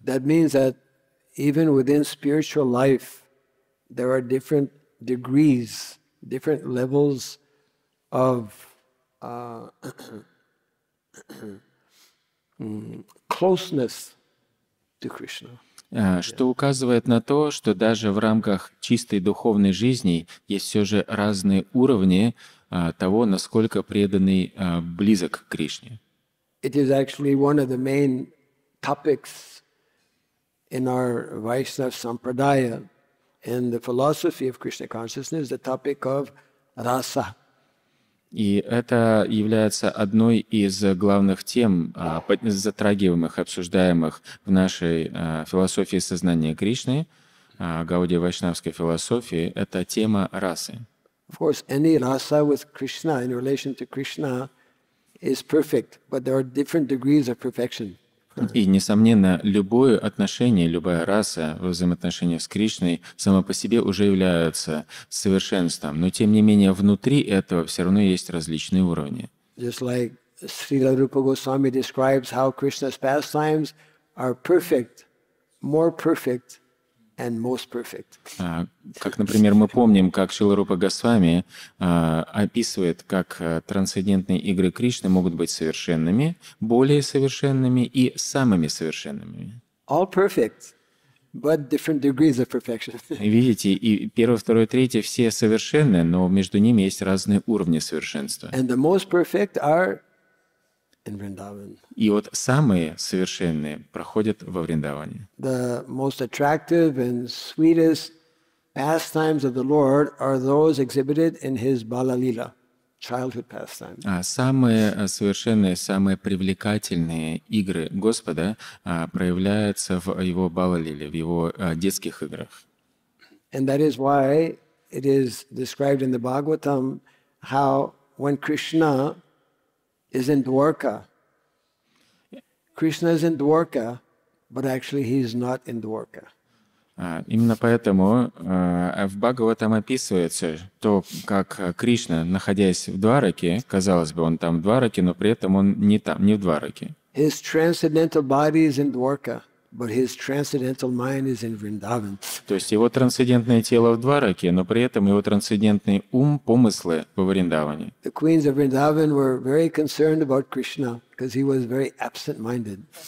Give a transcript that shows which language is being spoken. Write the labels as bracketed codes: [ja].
[en] That means that even within spiritual life there are different degrees, different levels of closeness to Krishna. [ru] Что указывает на то, что даже в рамках чистой духовной жизни есть все же разные уровни того, насколько преданный близок к Кришне. [en] It is actually one of the main topics in our Vaishnava Sampradaya, in the philosophy of Krishna consciousness, the topic of rasa. [ru] И это является одной из главных тем, затрагиваемых, обсуждаемых в нашей философии сознания Кришны, Гаудия Вайшнавской философии, это тема расы. [en] Of course, any rasa with Krishna in relation to Krishna is perfect, but there are different degrees of perfection. [ru] И, несомненно, любое отношение, любая раса в взаимоотношениях с Кришной само по себе уже является совершенством. Но, тем не менее, внутри этого все равно есть различные уровни. [en] Just like Srila Rupa Goswami describes how Krishna's pastimes are perfect, more perfect, and most perfect. [ru] Как, например, мы помним, как Шрила Рупа Госвами описывает, как трансцендентные игры Кришны могут быть совершенными, более совершенными и самыми совершенными. [en] All perfect, but different degrees of perfection. [ru] Видите, и первое, второе, третье все совершенны, но между ними есть разные уровни совершенства. [en] And the most perfect are in Vrindavan. [ru] И вот самые совершенные проходят во Вриндаване. [en] The most attractive and sweetest pastimes of the Lord are those exhibited in His balalila, childhood pastimes. [ru] А самые совершенные, самые привлекательные игры Господа проявляются в Его балалиле, в Его детских играх. [en] And that is why it is described in the Bhagavatam how when Krishna is in Dwarka. Krishna is in Dwarka, but actually he is not in Dwarka. [ru] Именно поэтому в Бхагаватам описывается то, как Кришна, находясь в Двараке, казалось бы, он там в Двараке, но при этом он не там, не в Двараке. [en] His transcendental body is in Dwarka. But his transcendental mind is in Vrindavan. [ru] То есть его трансцендентное тело в Двараке, но при этом его трансцендентный ум, помыслы во Вриндаване. [en] The queens of Vrindavan were very concerned about Krishna because he was very absent-minded.